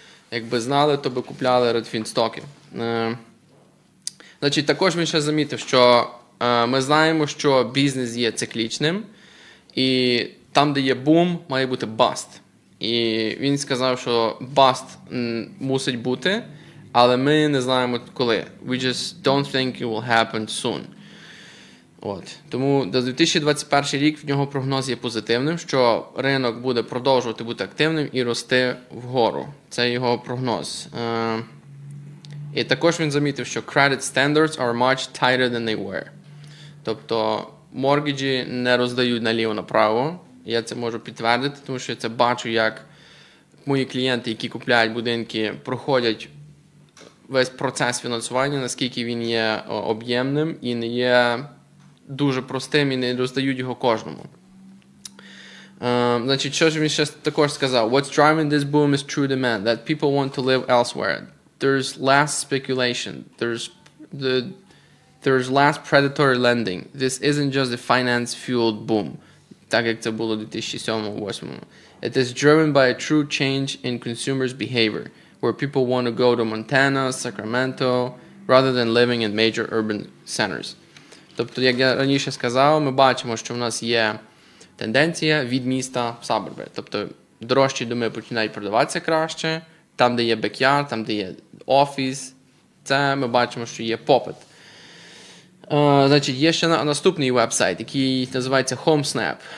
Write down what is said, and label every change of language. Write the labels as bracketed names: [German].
[Ukrainian] Якби знали, то би купляли Redfin стоки. Значить, також він ще замітив, що ми знаємо, що бізнес є циклічним, і там, де є бум, має бути баст. І він сказав, що баст мусить бути, але ми не знаємо коли. [English] We just don't think it will happen soon. [Ukrainian] От. Тому до 2021 рік в нього прогноз є позитивним, що ринок буде продовжувати бути активним і рости вгору. Це його прогноз. І також він замітив, що [English] credit standards are much tighter than they were. [Ukrainian] Тобто моргіджі не роздають наліво-направо. Я це можу підтвердити, тому що я це бачу, як мої клієнти, які купляють будинки, проходять весь процес фінансування, наскільки він є об'ємним і не є дуже простим і не роздають його кожному. Значить, що ж він ще також сказав? [English] What's driving this boom is true demand, that people want to live elsewhere. There's less speculation. There's less predatory lending. This isn't just a finance-fueled boom, [Ukrainian] так як це було 2007-2008. [English] It is driven by a true change in consumers' behavior, where people want to go to Montana, Sacramento, rather than living in major urban centers. [Ukrainian] Тобто, як я раніше сказав, ми бачимо, що в нас є тенденція від міста в суберби. Тобто, дорожчі доми починають продаватися краще, там, де є бек'ярд, там, де є офіс. Це ми бачимо, що є попит. Значить, є ще наступний веб-сайт, який називається HomeSnap.